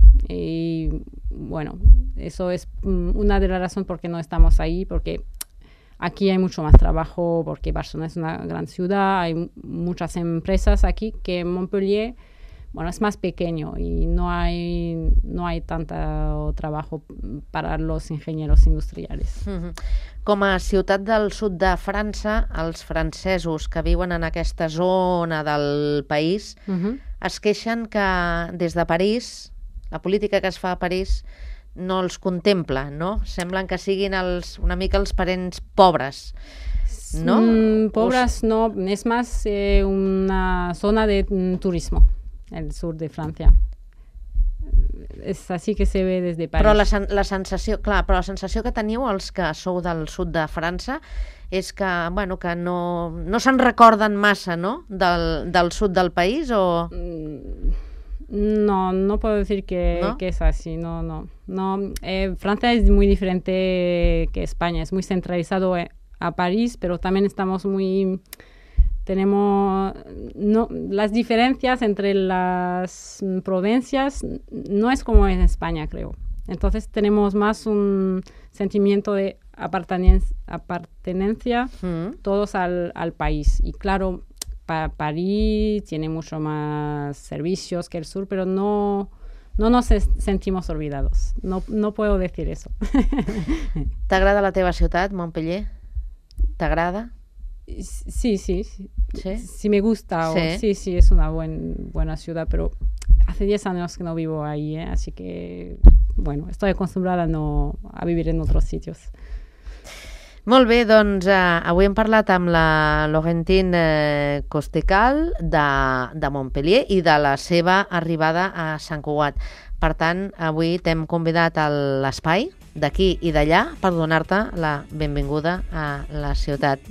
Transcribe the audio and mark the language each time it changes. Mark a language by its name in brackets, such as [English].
[Spanish] Y bueno, eso es una de las razones por qué no estamos ahí, porque aquí hay mucho más trabajo, porque Barcelona es una gran ciudad, hay muchas empresas aquí, que Montpellier, bueno, es más pequeño y no hay tanto trabajo para los ingenieros industriales. [Catalan] Com a ciutat del sud de França, els francesos que viuen en aquesta zona del país es queixen que des de París la política que es fa a París no els contempla, no? Semblen que siguin una mica els parents pobres, no? Pobres no, és més una zona de turisme, el sud de França. És així que se ve des de París. Però la sensació que teniu els que sou del sud de França és que, bueno, que no se'n recorden massa, no? Del sud del país, o... [Spanish] No puedo decir que es así, no. Francia es muy diferente que España, es muy centralizado a París, pero también estamos muy, tenemos, no, las diferencias entre las provincias no es como en España, creo. Entonces tenemos más un sentimiento de pertenencia todos al país, y claro, París tiene mucho más servicios que el sur, pero no nos sentimos olvidados. No puedo decir eso. [Catalan] ¿T'agrada la teva ciutat, Montpellier? ¿T'agrada? [Spanish] Sí, me gusta. Sí, sí, es una buena ciudad, pero hace 10 años que no vivo ahí, ¿eh? Así que, bueno, estoy acostumbrada a vivir en otros sitios. [Catalan] Molt bé, doncs avui hem parlat amb la Laurentine Costecal de Montpellier i de la seva arribada a Sant Cugat. Per tant, avui t'hem convidat a l'espai d'aquí i d'allà per donar-te la benvinguda a la ciutat.